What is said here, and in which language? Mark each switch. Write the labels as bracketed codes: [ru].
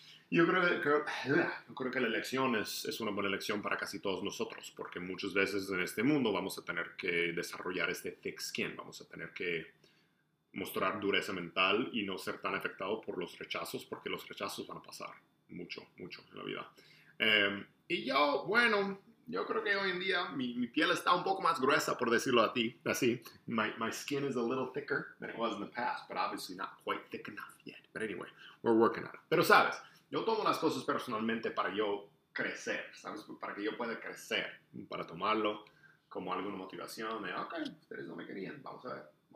[es] Yo creo que la lección es una buena lección para casi todos nosotros, porque muchas veces en este mundo vamos a tener que desarrollar este thick skin, vamos a tener que mostrar dureza mental y no ser tan afectado por los rechazos, porque los rechazos van a pasar mucho, mucho en la vida. Yo creo que hoy en día mi piel está un poco más gruesa, por decirlo así. [en] My skin is a little thicker than it was in the past, but obviously not quite thick enough yet. But anyway, we're working on it. [es] Pero sabes, yo tomo las cosas personalmente para yo crecer, ¿sabes? Para que yo pueda crecer, para tomarlo como alguna motivación. Ok, ustedes no me querían, vamos a ver.